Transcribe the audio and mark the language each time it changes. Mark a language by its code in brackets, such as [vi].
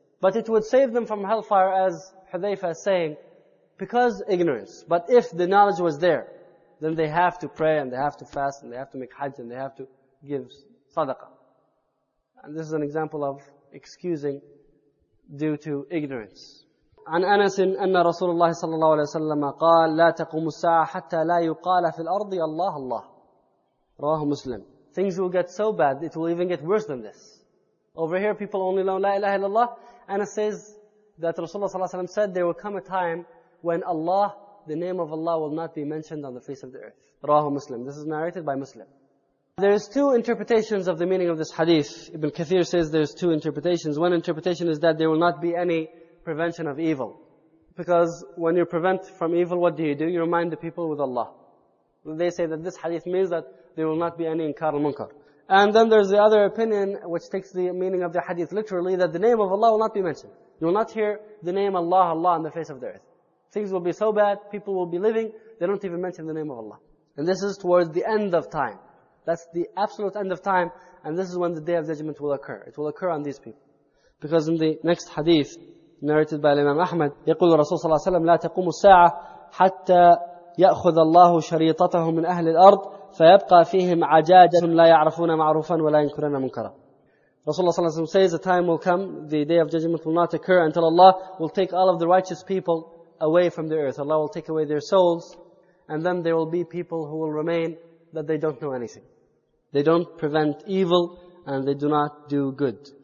[en] But it would save them from hellfire, as Hudhayfa is saying, because ignorance. But if the knowledge was there, then they have to pray and they have to fast and they have to make hajj and they have to give sadaqah. And this is an example of excusing due to ignorance. [ar] عن أنس أن رسول الله صلى الله عليه وسلم قال لا تقوم الساعة حتى لا يقال في الأرض الله الله رواه مسلم. [en] Things will get so bad, it will even get worse than this. Over here, people only know La ilaha illallah. Anas says that Rasulullah [ar] صلى الله عليه وسلم [en] said there will come a time when Allah, the name of Allah, will not be mentioned on the face of the earth. [ar] رواه مسلم. [en] This is narrated by Muslim. There is two interpretations of the meaning of this hadith. Ibn Kathir says there is two interpretations. One interpretation is that there will not be any prevention of evil. Because when you prevent from evil, what do? You remind the people with Allah. They say that this hadith means that there will not be any inkar al-munkar. And then there's the other opinion, which takes the meaning of the hadith literally, that the name of Allah will not be mentioned. You will not hear the name Allah, Allah, on the face of the earth. Things will be so bad, people will be living, they don't even mention the name of Allah. And this is towards the end of time. That's the absolute end of time, and this is when the Day of Judgment will occur. It will occur on these people. Because in the next hadith, narrated by Imam Ahmad, [ar] يقول الرسول صلى الله عليه وسلم لا تقوم الساعة حتى يأخذ الله شريطته من أهل الأرض فيبقى فيهم عجاجة لا يعرفون معروفا ولا ينكرون منكرا. [en] Rasulullah [ar] صلى الله عليه وسلم [en] says, the time will come, the Day of Judgment will not occur until Allah will take all of the righteous people away from the earth. Allah will take away their souls, and then there will be people who will remain that they don't know anything. They don't prevent evil and they do not do good.